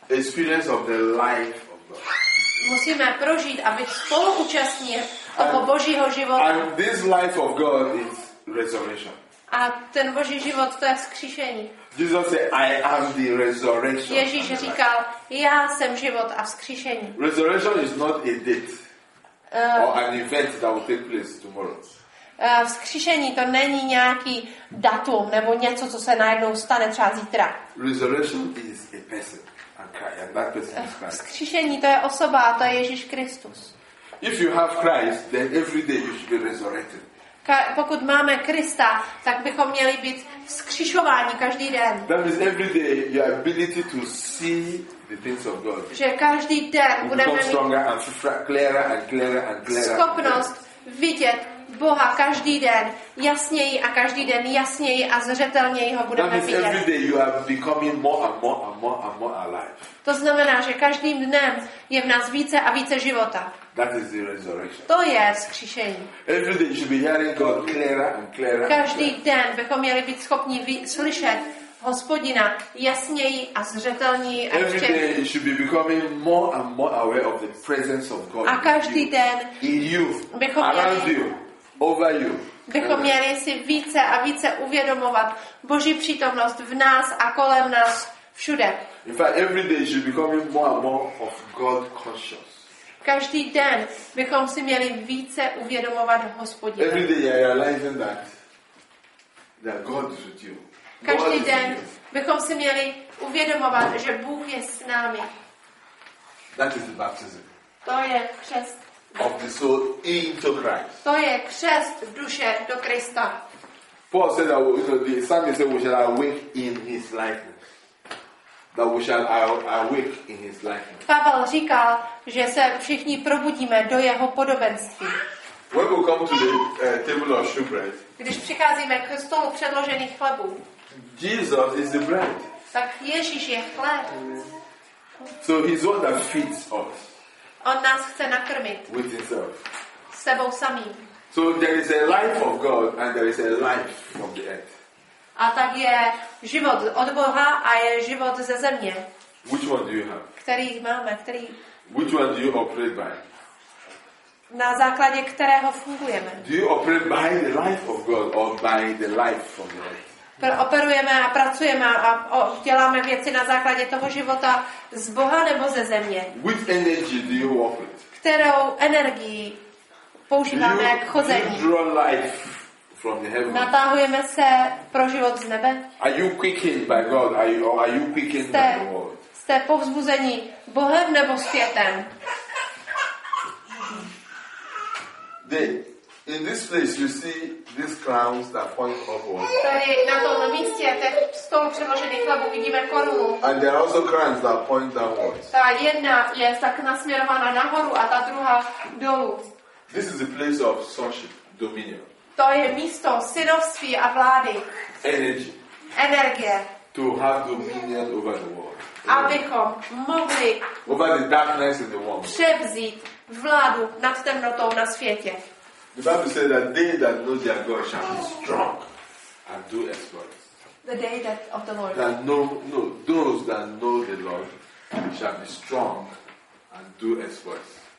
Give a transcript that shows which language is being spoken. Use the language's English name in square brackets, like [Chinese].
[English] Experience of the life of God. [Czech] Musíme prožít a být spoluúčastní toho Božího života. [English] And this life of God is resurrection. [Czech] A ten boží život, to je vzkříšení. [English] Jesus said, I am the resurrection. [Czech] Ježíš říkal, já jsem život a vzkříšení. [English] Resurrection is not a date or an event that will take place tomorrow. [Czech] Vzkříšení to není nějaký datum nebo něco, co se najednou stane třeba zítra. [English] Resurrection is a person, and Christ, and that person is Christ. [Czech] Vzkříšení to je osoba, a to je Ježíš Kristus. [English] If you have Christ, then every day you should be resurrected. [Czech] Pokud máme Krista, tak bychom měli být vzkřišováni každý den. [English] That is every day your ability to see the things of God. [Czech] Že každý den budeme mít [English] stronger and clearer and clearer and clearer. [Czech] Schopnost vidět Boha každý den jasněji a každý den jasněji a zřetelněji ho budeme vidět. [English] That is every day you are becoming more and more and more and more alive. [Czech] To znamená, že každým dnem je v nás více a více života. [English] That is the resurrection. [Czech] To je vzkříšení. [English] Every day you should be hearing God clearer and clearer. [Czech] Každý den bychom měli být schopni slyšet Hospodina jasněji a zřetelněji. [English] Every day you should be becoming more and more aware of the presence of God. [Czech] A každý den [English] in you, around you, over you. [Czech] Bychom měli si více a více uvědomovat Boží přítomnost v nás a kolem nás všude. [English] In fact, every day you should be becoming more and more of God conscious. [Czech] Každý den bychom si měli více uvědomovat Hospodina. [English] Every day you realize that God is with you. [Czech] Každý den bychom si měli uvědomovat, že Bůh je s námi. [English] That is the baptism. [Czech] To je křest. [English] Of the soul into Christ. [Czech] To je křest duše do Krista. [English] Paul said that Sammy said we shall awake in his likeness. That we shall awake in his likeness. [Czech] Pavel říkal, že se všichni probudíme do jeho podobenství. [English] When we come to the table of shewbread. [Czech] Když přicházíme k stolu předložených chlebů. [English] Jesus is the bread. [Czech] Tak Ježíš je chléb. [English] So he's one that feeds us. [Czech] On nás chce nakrmit. [English] With himself. [Czech] S sebou samým. [English] So there is a life of God and there is a life from the earth. [Czech] A tak je život od Boha a je život ze země. [English] Which one do you have? [Czech] Který máme, který? [English] Which one do you operate by? [Czech] Na základě kterého fungujeme? [English] Do you operate by the life of God or by the life from the earth? [Czech] Operujeme a pracujeme a děláme věci na základě toho života z Boha nebo ze země. [English] Which energy do you work with? [Czech] Kterou energii používáme k chození? [English] Do you draw life from the heavens? [Czech] Natáhujeme se pro život z nebe? [English] Are you quickened by God? Are you quickened by the world? [Czech] Jste povzbuzení Bohem nebo světem? [English] In this place you see these crowns that point upward. [Czech] Tady na tom místě těch stolů předložených chlebů vidíme korunu. [English] And there are also crowns that point downward. [Czech] Ta jedna je tak nasměrovaná nahoru a ta druhá dolů. [English] This is the place of sonship, dominion. [Czech] To je místo synovství a vlády. [English] Energy. [Czech] Energie. [English] To have dominion over the world. [Czech] Abychom mohli [English] over the darkness in the world. [Czech] Převzít vládu nad temnotou na světě. [English] The Bible says that they that know their God shall be strong and do exploits. The day that of the Lord. That those that know the Lord shall be strong and do exploits.